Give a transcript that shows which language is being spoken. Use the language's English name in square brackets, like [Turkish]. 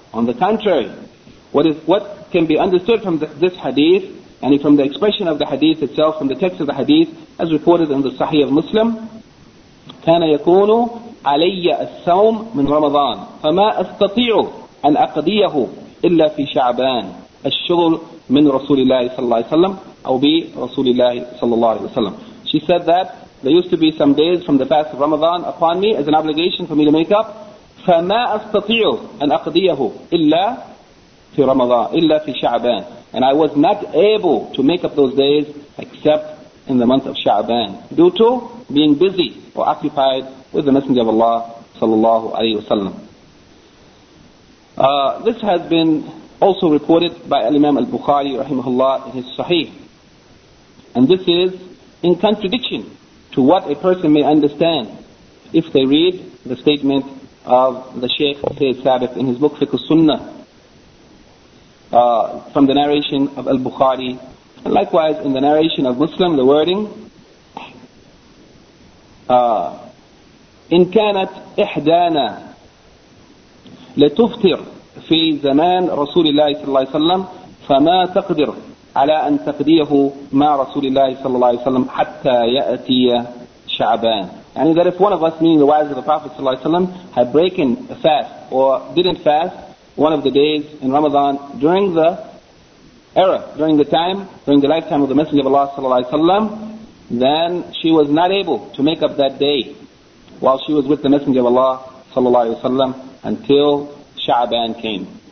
[English] On the contrary, what can be understood from this hadith and from the expression of the hadith itself, from the text of the hadith, as reported in the Sahih of Muslim, [Arabic] كان يكون علي الصوم من رمضان فما أستطيع أن أقضيه إلا في شعبان الشغل من رسول الله صلى الله عليه وسلم [English] أو برسول الله صلى الله عليه وسلم. She said that there used to be some days from the fast of Ramadan upon me as an obligation for me to make up. [Arabic] فما أستطيع أن أقضيه إلا في رمضان إلا في شعبان. [English] And I was not able to make up those days except in the month of Sha'ban due to being busy or occupied with the Messenger of Allah sallallahu alayhi wa sallam. This has been also reported by Imam al-Bukhari rahimahullah in his Sahih. And this is in contradiction to what a person may understand if they read the statement of the Shaykh Sayyid Sabiq in his book Fiqh al-Sunnah from the narration of al-Bukhari. And likewise in the narration of Muslim, the wording [Arabic] إن كانت إحدانا لتفطر في زمان رسول الله صلى الله عليه وسلم فما تقدر على أن تقضيه مع رسول الله صلى الله عليه وسلم حتى يأتي شعبان. [English] And that if one of us, meaning the wives of the Prophet صلى الله عليه وسلم, had broken a fast or didn't fast one of the days in Ramadan during the era, during the time, during the lifetime of the Messenger of Allah صلى الله عليه وسلم, then she was not able to make up that day while she was with the Messenger of Allah sallallahu alaihi wasallam until Sha'ban came.